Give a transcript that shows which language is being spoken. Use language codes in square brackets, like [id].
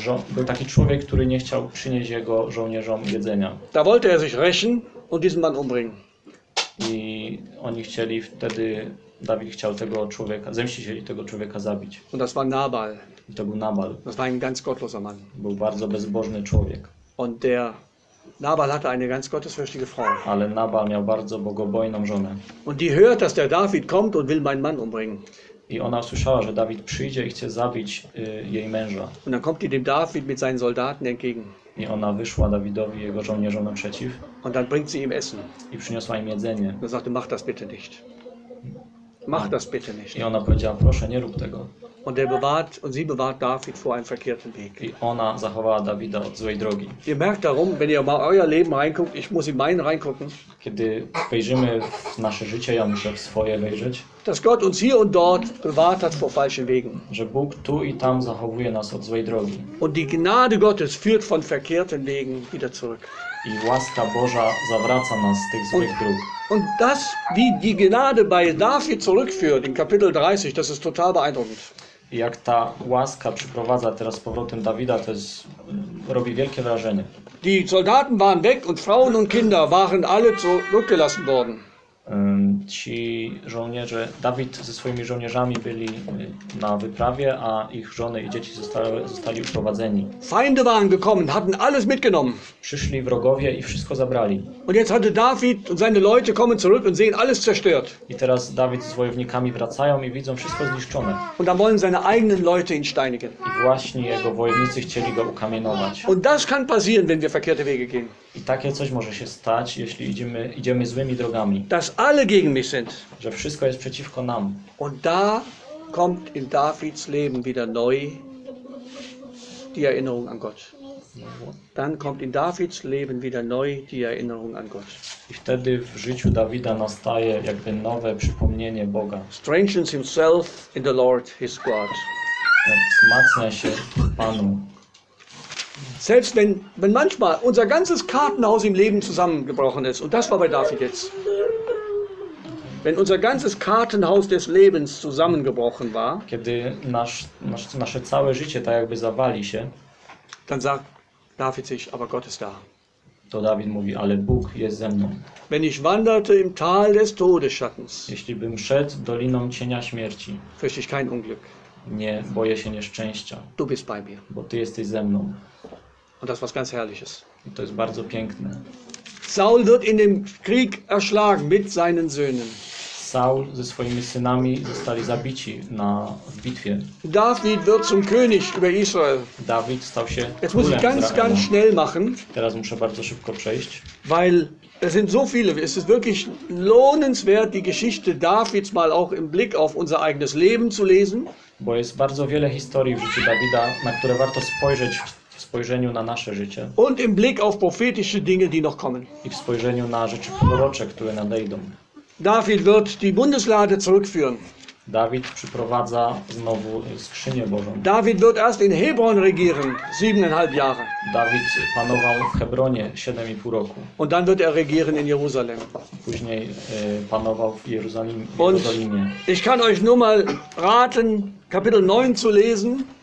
[pl] Był taki człowiek, który nie chciał przynieść jego żołnierzom jedzenia. [de] Da wollte er sich rächen und diesen Mann umbringen. [pl] I oni chcieli wtedy, Dawid chciał tego człowieka, zemścić się i tego człowieka zabić. [de] Und das war Nabal. [pl] I to był Nabal. [de] Das war ein ganz gottloser Mann. [pl] Był bardzo bezbożny człowiek. [de] Und der Nabal hatte eine ganz gottesfürchtige Frau. [pl] Ale Nabal miał bardzo bogobojną żonę. [de] Und die hört, dass der David kommt und will meinen Mann umbringen. [pl] I ona usłyszała, że Dawid przyjdzie i chce zabić jej męża. [de] Und dann kommt die dem David mit seinen Soldaten entgegen. [pl] I ona wyszła Dawidowi jego żołnierzom naprzeciw. [de] Und dann bringt sie ihm Essen. [pl] I przyniosła im jedzenie. [de] Und sagte, mach das bitte nicht. Mach das bitte nicht. [pl] I ona powiedziała, proszę, nie rób tego. [de] Und er bewahrt, und sie bewahrt David vor einem verkehrten Weg. [pl] I ona zachowała Dawida od złej drogi. [de] Ihr merkt darum, wenn ihr mal euer Leben reinguckt, ich muss in mein reingucken. [pl] Kiedy spojrzymy w nasze życie, ja muszę w swoje wejrzeć. [de] Dass Gott uns hier und dort bewahrt hat vor falschen Wegen. [pl] Że Bóg tu i tam zachowuje nas od złej drogi. [de] Und die Gnade Gottes führt von verkehrten Wegen wieder zurück. [pl] I łaska Boża zawraca nas z tych złych dróg. [de] Und das, wie die Gnade bei David zurückführt in Kapitel 30, das ist total beeindruckend. [pl] I jak ta łaska przyprowadza teraz z powrotem Dawida, to jest, robi wielkie wrażenie. [de] Die Soldaten waren weg und Frauen und Kinder waren alle zurückgelassen worden. [pl] Ci żołnierze, Dawid ze swoimi żołnierzami byli na wyprawie, a ich żony i dzieci zostali uprowadzeni. [de] Feinde waren gekommen, hatten alles mitgenommen. [pl] Przyszli wrogowie i wszystko zabrali. [de] Und jetzt hatte David und seine Leute kommen zurück und sehen alles zerstört. [pl] I teraz Dawid z wojownikami wracają i widzą wszystko zniszczone. [de] Und dann wollen seine eigenen Leute ihn steinigen. [pl] I właśnie jego wojownicy chcieli go ukamienować. [de] Und das kann passieren, wenn wir verkehrte Wege gehen. [pl] I takie coś może się stać, jeśli idziemy złymi drogami. [de] Dass alle gegen mich sind. [pl] Że wszystko jest przeciwko nam. [de] Und da kommt in Davids Leben wieder neu die Erinnerung an Gott. Dann kommt in Davids Leben wieder neu die Erinnerung an Gott. [pl] I wtedy w życiu Dawida nastaje jakby nowe przypomnienie Boga. [en] Strengthens himself in the Lord his God. [pl] Wzmacnia się Panu. [de] Selbst wenn manchmal unser ganzes Kartenhaus im Leben zusammengebrochen ist, und das war bei David jetzt, wenn unser ganzes Kartenhaus des Lebens zusammengebrochen war, [pl] kiedy nasze całe życie tak jakby zawali się, [de] dann sagt David sich, aber Gott ist da. [pl] To David mówi, ale Bóg jest ze mną. [de] Wenn ich wanderte im Tal des Todesschattens, [pl] jeśli bym szedł doliną cienia śmierci, [de] fürchte ich kein Unglück. [pl] Nie boję się nieszczęścia. [de] Du bist bei mir. [pl] Bo ty jesteś ze mną. [de] Und das was ganz herrliches. [pl] I to jest bardzo piękne. [de] Saul wird in dem Krieg erschlagen mit seinen Söhnen. [pl] Saul ze swoimi synami zostali zabici w bitwie. [de] David wird zum König über Israel. [pl] David stał się królem. [de] Jetzt muss ich ganz schnell machen. [pl] Teraz muszę bardzo szybko przejść. [de] Weil es sind so viele, es ist wirklich lohnenswert, die Geschichte Davids mal auch im Blick auf unser eigenes Leben zu lesen. [pl] Bo jest bardzo wiele historii w życiu Dawida, na które warto spojrzeć w spojrzeniu na nasze życie. [de] Und im Blick auf prophetische Dinge, die noch kommen. [pl] I w spojrzeniu na rzeczy prorocze, które nadejdą. [de] David wird die Bundeslade zurückführen. [pl] David przyprowadza znowu skrzynię Bożą. [de] David wird erst in Hebron regieren, 7,5 Jahre. [pl] David panował w Hebronie 7,5 roku. [de] Und dann wird er regieren in Jerusalem. [pl] Później panował w Jerozolimie. [de] Ich kann euch nur mal raten, Kapitel 9 zu lesen.